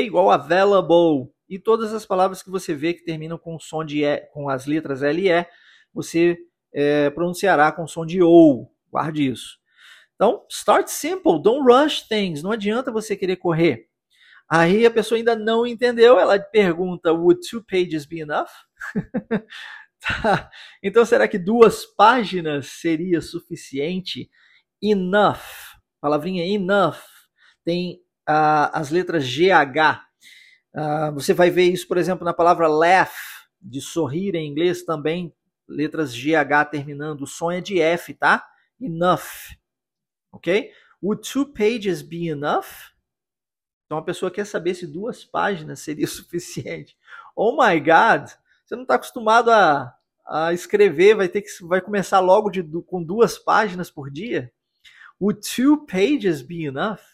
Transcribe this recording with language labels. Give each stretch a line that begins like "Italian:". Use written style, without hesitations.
Portuguese: Igual available. E todas as palavras que você vê que terminam com o som de E, com as letras L e E, você pronunciará com o som de ou. Guarde isso. Então,
English: start simple. Don't rush things.
Portuguese: Não adianta você querer correr. Aí a pessoa ainda não entendeu. Ela pergunta,
English: would two pages be enough?
Portuguese: Tá. Então, será que duas páginas seria suficiente? Enough. A palavrinha enough tem as letras GH. Você vai ver isso, por exemplo, na palavra laugh, de sorrir em inglês também, letras GH terminando. O som é de F, tá? Enough. Ok?
English: Would two pages be enough?
Portuguese: Então, a pessoa quer saber se duas páginas seria suficiente.
English: Oh, my God!
Portuguese: Você não está acostumado a escrever, vai começar logo com duas páginas por dia?
English: Would two pages be enough?